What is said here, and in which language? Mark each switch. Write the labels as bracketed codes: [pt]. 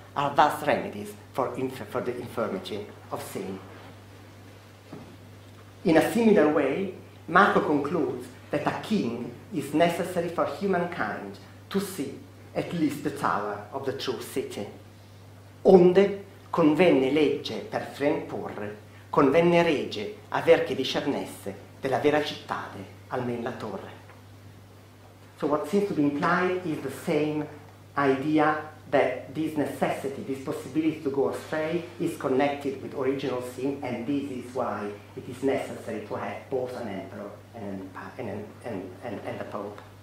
[en] are vast remedies for the infirmity of sin. In a similar way, Marco concludes that a king is necessary for humankind to see at least the tower of the true city. [it] Onde convenne legge per frem porre, convenne rege aver che discernesse della vera cittade almen la torre. [en] So what seems to be implied is the same idea that this necessity, this possibility to go astray, is connected with original sin, and this is why it is necessary to have both an emperor and a pope.